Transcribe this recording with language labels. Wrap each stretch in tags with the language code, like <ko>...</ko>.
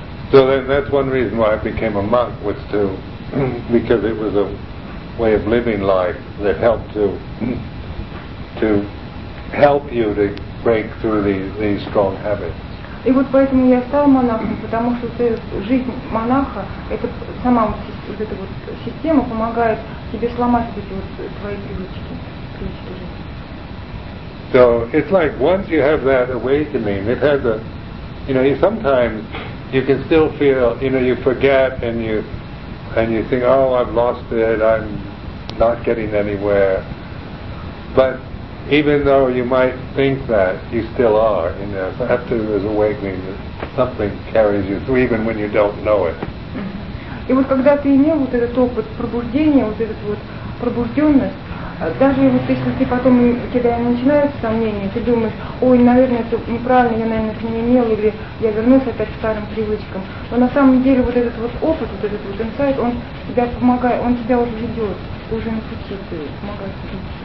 <en>So then that's one reason why I became a monk, was to, because it was a way of living life that helped to help you to break through these strong habits.</en> <ru>И вот поэтому я стал монахом, потому что жизнь монаха, это сама вот эта вот система помогает тебе сломать эти вот твои привычки, привычки жизни.</ru> <en>So it's like once you have that awakening, it has a, you know, sometimes you can still feel, you know, you forget and you think, oh, I've lost it, I'm not getting anywhere. But even though you might think that, you still are, you know, so after there's awakening, something carries you through, even when you don't know it.</en> <ru>И вот когда ты имел вот этот опыт пробуждения, вот этот вот пробужденность, даже вот если ты потом, когда начинаются сомнения, ты думаешь, ой, наверное, это неправильно, я, наверное, это не имел, или я вернусь опять к старым привычкам. Но на самом деле вот этот вот опыт, вот этот вот инсайт, он тебя помогает, он тебя уже ведет, ты уже на пути, ты помогаешь тебе.</ru>